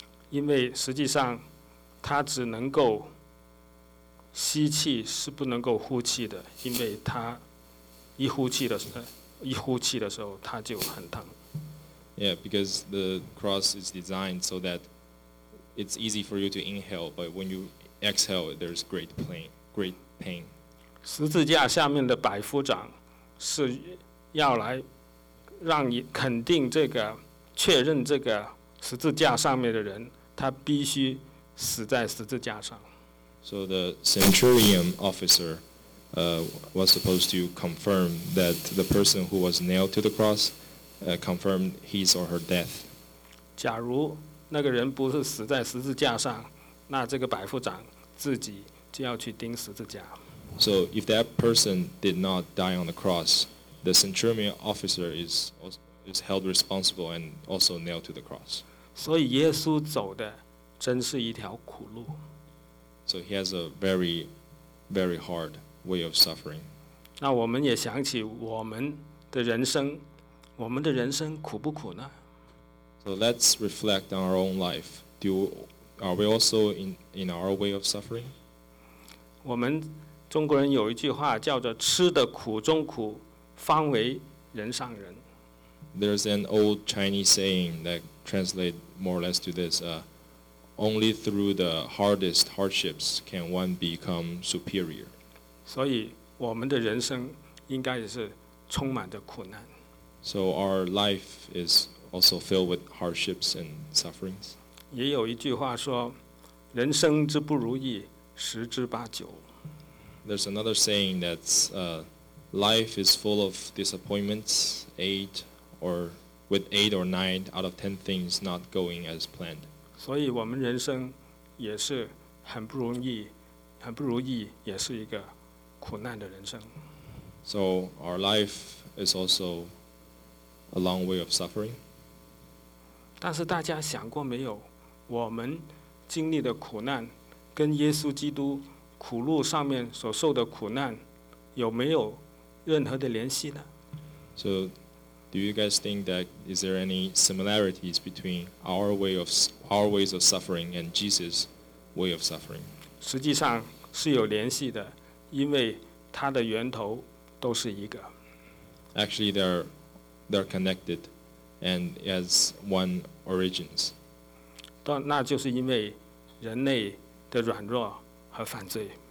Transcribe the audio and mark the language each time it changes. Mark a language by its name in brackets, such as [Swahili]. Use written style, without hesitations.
[Chinese] 因为实际上他只能够吸气，是不能够呼气的，因为他一呼气的时候他就很疼。 [English] Yeah, because the cross is designed so that it's easy for you to inhale, but when you exhale, there's great pain. [Chinese] 十字架下面的百夫长是要来让你肯定这个，确认这个十字架上面的人，他必须死在十字架上。 [English] So the centurion officer, was supposed to confirm that the person who was nailed to the cross, confirmed his or her death. [Chinese] 假如那个人不是死在十字架上，那这个百夫长自己就要去钉十字架。 [English] So if that person did not die on the cross,The centurion officer is held responsible and also nailed to the cross. [Chinese] 所以耶稣走的真是一条苦路。 [English] So he has a very, very hard way of suffering. [Chinese] 那我们也想起我们的人生，我们的人生苦不苦呢？ [English] So let's reflect on our own life. Are we also in our way of suffering? [Chinese] 我们中国人有一句话叫做吃的苦中苦，方为人上人。 [English] There's an old Chinese saying that translates more or less to this: only through the hardest hardships can one become superior. [Chinese] 所以我们的人生应该也是充满着苦难。 [English] So our life is also filled with hardships and sufferings. [Chinese] 也有一句话说，人生之不如意，十之八九。 [English] There's another saying that's life is full of disappointments, eight or nine out of 10 things not going as planned. [Chinese] 所以我们人生也是很不容易，很不如意，也是一个苦难的人生。 [English] So our life is also a long way of suffering. [Chinese] 但是大家想过没有，我们经历的苦难跟耶稣基督苦路上面所受的苦难有没有任何的联系呢？ [English] So, do you guys think that is there any similarities between our ways of suffering and Jesus' way of suffering? [Chinese] 实际上是有联系的，因为它的源头都是一个。 [English] Actually, they're connected, and as one origins. [Chinese] 那就是因为人类的软弱和犯罪。